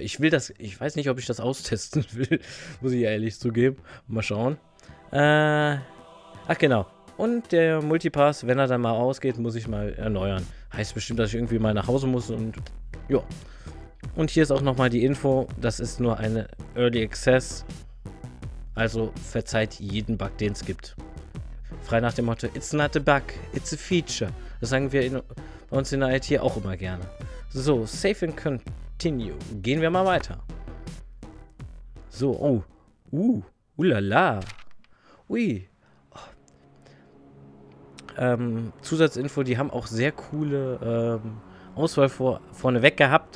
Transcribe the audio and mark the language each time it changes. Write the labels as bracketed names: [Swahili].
[German] Ich will das, ich weiß nicht, ob ich das austesten will, muss ich ehrlich zugeben. Mal schauen. Ach genau. Und der Multipass, wenn er dann mal ausgeht, muss ich mal erneuern. Heißt bestimmt, dass ich irgendwie mal nach Hause muss und ja. Und hier ist auch nochmal die Info, das ist nur eine Early Access. Also verzeiht jeden Bug, den es gibt. Frei nach dem Motto, [English] it's not a bug, it's a feature. [German] Das sagen wir bei uns in der IT auch immer gerne. So, [English] save and continue. [German] Gehen wir mal weiter. So, oh. Ulala. Ui. Oh. Zusatzinfo, die haben auch sehr coole Auswahl vorneweg gehabt.